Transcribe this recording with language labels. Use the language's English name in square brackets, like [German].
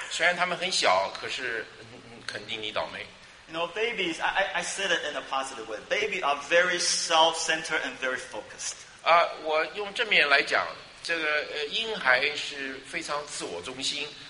[Chinese] 虽然他们很小，可是肯定你倒霉。 [English] You know, babies, I said it in a positive way. Babies are very self-centered and very focused. [Chinese] 我用正面来讲，这个婴孩是非常自我中心。